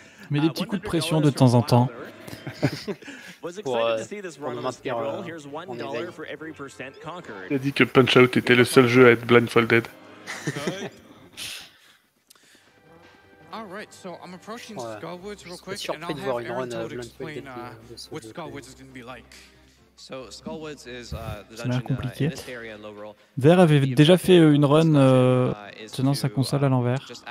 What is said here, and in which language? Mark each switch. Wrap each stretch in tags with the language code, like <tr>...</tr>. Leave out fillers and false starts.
<fr>Mets des petits coups de pression de temps en temps. Il a dit que Punch-Out était le seul jeu à être blindfolded.</fr> <en>Alright, so I'm approching Skullwoods real quick and I'll have Aaron to explain what Skullwoods is going to be like.</en> <fr>Ça m'a l'air compliqué. Vert avait déjà fait une run tenant sa console à l'envers.</fr>